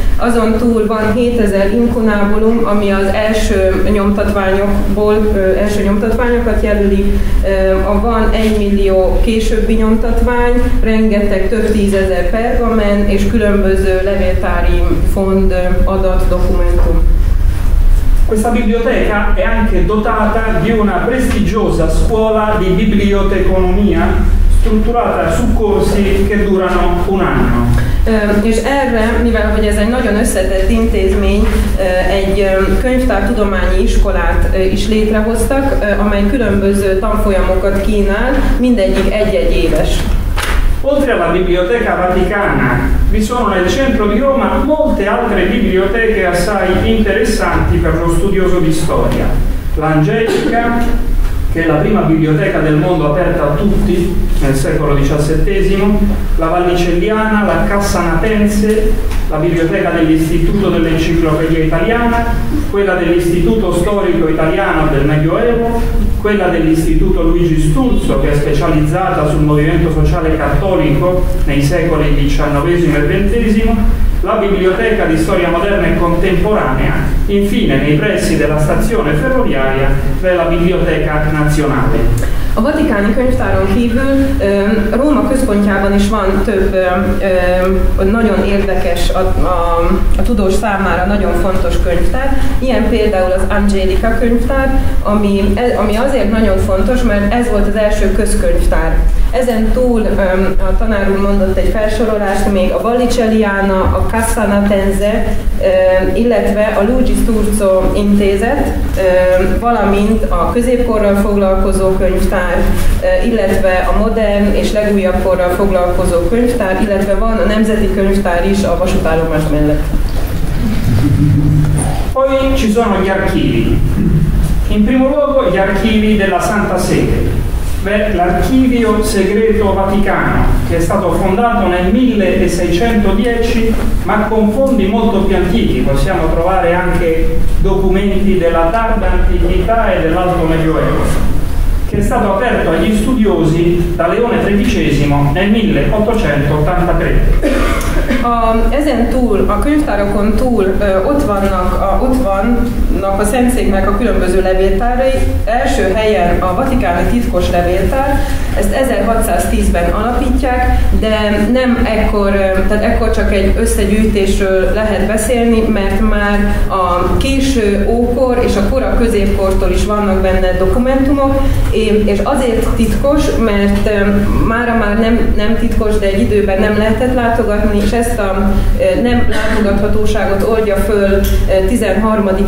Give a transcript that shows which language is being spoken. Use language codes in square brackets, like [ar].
[hu] Azon túl van 7.000 inkunábulum, ami az első nyomtatványokból, első nyomtatványokat jelöli. Van 1.000.000 későbbi nyomtatvány, rengeteg, több 10.000 pergamen és különböző levéltári fond adat, dokumentum. [it] Questa biblioteca è anche dotata di una prestigiosa scuola di biblioteconomia strutturata su corsi che durano un anno. [hu] És erre, mivel hogy ez egy nagyon összetett intézmény, egy könyvtártudományi iskolát is létrehoztak, amely különböző tanfolyamokat kínál, mindegyik egy-egy éves. [it] Oltre alla Biblioteca Vaticana, vi sono nel centro di Roma molte altre biblioteche assai interessanti per lo studioso di storia. L'Angelica, che è la prima biblioteca del mondo aperta a tutti nel secolo XVII, la Vallicelliana, la Cassanatense, la biblioteca dell'Istituto dell'Enciclopedia Italiana, quella dell'Istituto Storico Italiano del Medioevo, quella dell'Istituto Luigi Sturzo, che è specializzata sul movimento sociale cattolico nei secoli XIX e XX, la Biblioteca di Storia Moderna e Contemporanea, infine nei pressi della stazione ferroviaria per la Biblioteca Nazionale. [hu] A vaticáni könyvtáron kívül Róma központjában is van több nagyon érdekes, a tudós számára nagyon fontos könyvtár. Ilyen például az Angelica könyvtár, ami azért nagyon fontos, mert ez volt az első közkönyvtár. Ezen túl a tanár úr mondott egy felsorolást, még a Vallicelliana, a Cassanatense, illetve a Luigi Sturzo intézet, valamint a középkorral foglalkozó könyvtár, illetve a modern és legújabb korral foglalkozó könyvtár, illetve van a nemzeti könyvtár is a vasútállomás mellett. [it] Poi ci sono gli archivi. In primo luogo gli archivi della Santa Sede. Beh, l'archivio segreto Vaticano, che è stato fondato nel 1610, ma con fondi molto più antichi. Possiamo trovare anche documenti della tarda antichità e dell'alto medioevo, che è stato aperto agli studiosi da Leone XIII nel 1883. [hu] Ezen túl, a könyvtárokon túl ott vannak a szentszéknek a különböző levéltárai. Első helyen a vatikáni titkos levéltár, ezt 1610-ben alapítják, de nem ekkor, tehát ekkor csak egy összegyűjtésről lehet beszélni, mert már a késő ókor és a kora középkortól is vannak benne dokumentumok, és azért titkos, mert mára már nem titkos, de egy időben nem lehetett látogatni, és ezt a nem látogathatóságot oldja föl 13.